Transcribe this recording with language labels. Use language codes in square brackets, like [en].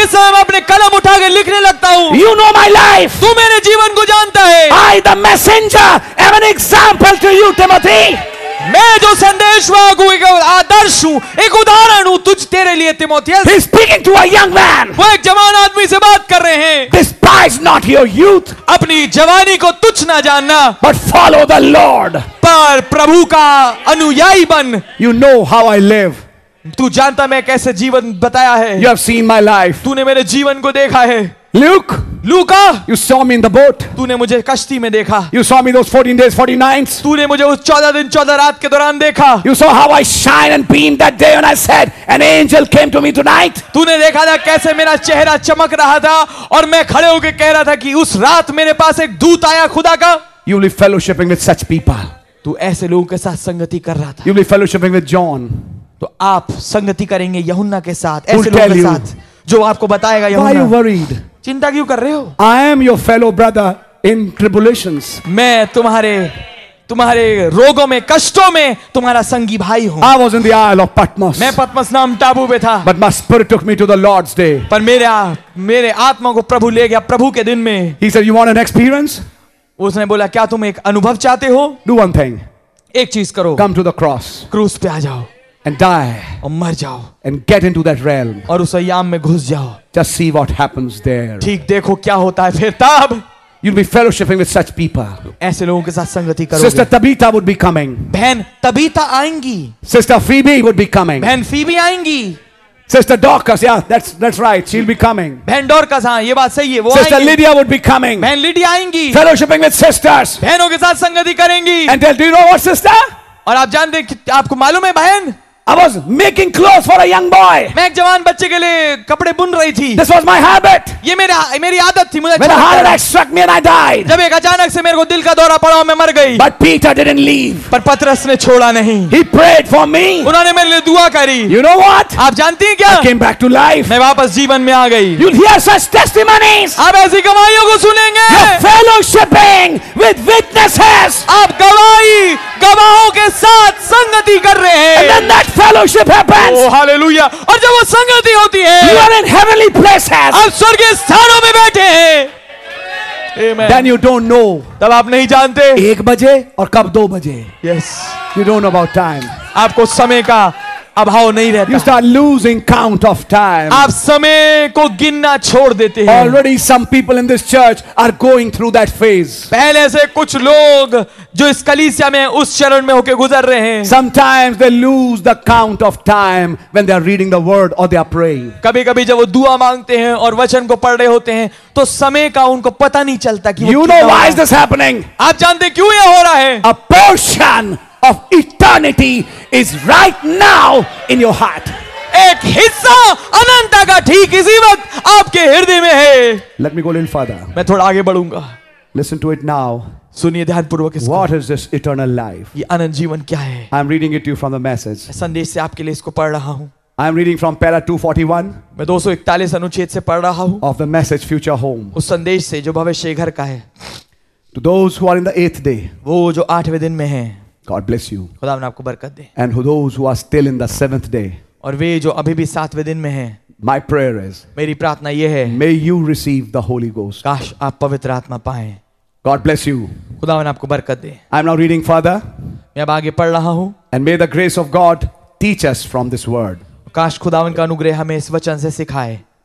[hi] किस समय मैं अपने कलम उठाकर लिखने लगता हूँ? [en] You know my life. [hi] तू मेरे जीवन को जानता है. [en] I the messenger am an example to you, Timothy. [hi] मैं जो संदेश वाहू एक आदर्श हूँ एक उदाहरण हूँ तुझ तेरे लिए Timothy. [en] He's speaking to a young man. [hi] वो एक जवान आदमी से बात कर रहे हैं. [en] Despise not your youth. [hi] अपनी जवानी को तुच्छ ना जानना. [en] But follow the Lord. [hi] पर प्रभु का अनुयायी बन. [en] You know how I live. [hi] तू जानता मैं कैसे जीवन बताया है. [en] You have seen my life. [hi] तूने मेरे जीवन को देखा है. [en] Luke. [hi] Luka, [en] you saw me in the boat. [hi] तूने मुझे कश्ती में देखा. [en] You saw me those 14 days, 40 nights. [hi] तूने मुझे उस 14 दिन 14 रात के दौरान देखा. [en] You saw how I shine and beam that day when I said an angel came to me tonight. [hi] तूने देखा था कैसे मेरा चेहरा चमक रहा था और मैं खड़े होकर कह रहा था कि उस रात मेरे पास एक दूत आया खुदा का. [en] You will be fellowshipping with such people. [hi] तू ऐसे लोगों के साथ संगति कर रहा था. [en] You will be fellowshipping with John. [hi] तो आप संगति करेंगे यूहन्ना के साथ ऐसे लोगों के साथ जो आपको बताएगा यूहन्ना. [en] Why are you worried? [hi] चिंता क्यों कर रहे हो? [en] I am your fellow brother in tribulations. [hi] मैं तुम्हारे तुम्हारे रोगों में कष्टों में तुम्हारा संगी भाई हूं। [en] I was in the Isle of Patmos. [hi] मैं पत्मस नाम टापू पे था। [en] But my spirit took me to the Lord's day. [hi] पर मेरे आत्मा को प्रभु ले गया प्रभु के दिन में। [en] He said, "You want an experience?" [hi] उसने बोला क्या तुम एक अनुभव चाहते हो? [en] Do one thing. [hi] एक चीज करो। [en] Come to the cross. [hi] क्रूस पे आ जाओ। [en] And die. [hi] और मर जाओ। [en] And get into that realm. [hi] और उस आयाम में घुस जाओ। [en] Just see what happens there. [hi] ठीक देखो क्या होता है फिर तब। [en] You'll be fellowshipping with such people. [hi] ऐसे लोगों के साथ संगति करोगे. [en] Sister Tabitha would be coming. [hi] बहन तबीता आएंगी. [en] Sister Phoebe would be coming. [hi] बहन फीबी आएंगी. [en] Sister Dorcas, yeah, that's right. She'll be coming. [hi] बहन डॉरकस हाँ ये बात सही है वो आएंगी. [en] Sister Lydia would be coming. [hi] बहन लिडिया आएंगी. [en] Fellowshipping with sisters. [hi] बहनों के साथ संगति करेंगी. [en] And tell, do you know what, sister? [hi] और आप जानते हैं आपको मालूम है बहन? [en] I was making clothes for a young boy. [hi] मैं एक जवान बच्चे के लिए कपड़े बुन रही थी. [en] This was my habit. [hi] ये मेरी आदत थी मुझे. [en] When a heart attack struck me and I died. [hi] जब एक अचानक से मेरे को दिल का दौरा पड़ा मैं मर गई. [en] But Peter didn't leave. [hi] पर पत्रस ने छोड़ा नहीं. [en] He prayed for me. [hi] उन्होंने मेरे लिए दुआ करी. [en] You know what? [hi] आप जानती हैं क्या? [en] I came back to life. [hi] मैं वापस जीवन में आ गई. [en] You'll hear such testimonies. [hi] आप ऐसी गवाहियों को सुनेंगे. [en] You're fellowshipping with witnesses. [hi] आप गवाही गवाहों के साथ संगति कर रहे हैं. [en] Fellowship happens. Oh, hallelujah. [hi] और जब वो संगति होती है, [en] you are in heavenly places. [hi] आप स्वर्गीय स्थानों में बैठे हैं. [en] Amen. Then you don't know. [hi] तब आप नहीं जानते. एक बजे और कब दो बजे. [en] Yes. You don't know about time. [hi] आपको समय का अभाव नहीं रहता. [en] You start losing count of time. [hi] आप समय को गिनना छोड़ देते हैं. [en] Already some people in this church are going through that phase. [hi] पहले से कुछ लोग जो इस कलीसिया में उस चरण में होके गुजर रहे हैं. [en] Sometimes they lose the count of time when they are reading the word or they are praying. [hi] कभी-कभी जब वो दुआ मांगते हैं और वचन को पढ़ रहे होते हैं तो समय का उनको पता नहीं चलता कि [en] You know why is this happening? [hi] आप जानते हैं क्यों ये हो रहा है? [en] A portion of eternity is right now in your heart. [hi] एक हिस्सा अनंत का ठीक इसी वक्त आपके हृदय में है. [en] Let me go a little further. [hi] मैं थोड़ा आगे बढ़ूंगा. [en] Listen to it now. [hi] सुनिए ध्यानपूर्वक इसको. [en] What is this eternal life? [hi] ये अनंत जीवन क्या है? [en] I am reading it to you from the message. [hi] संदेश से आपके लिए इसको पढ़ रहा हूँ. [en] I am reading from Para 241. [hi] मैं 241 अनुच्छेद से पढ़ रहा हूँ. [en] Of the message, future home. [hi] उस संदेश से जो भविष्य घर का है. [en] To those who are in the eighth day. [hi] वो जो आठवें दिन में हैं. [en] God bless you. [hi] खुदा ने आपको बरकत दे. [en] And who those who are still in the seventh day. [hi] और वे जो अभी भी सातवें दिन में हैं. [en] My prayer is. [hi] मेरी प्रार्थना ये है. [en] May you receive the Holy Ghost. [hi] काश आप पवित्र आत्मा पाएं. [en] God bless you. [hi] खुदा ने आपको बरकत दे. [en] I am now reading further. [hi] मैं अब आगे पढ़ रहा हूँ. [en] And may the grace of God teach us from this word. [hi] काश खुदा का अनुग्रह हमें इस वचन से सिखाए.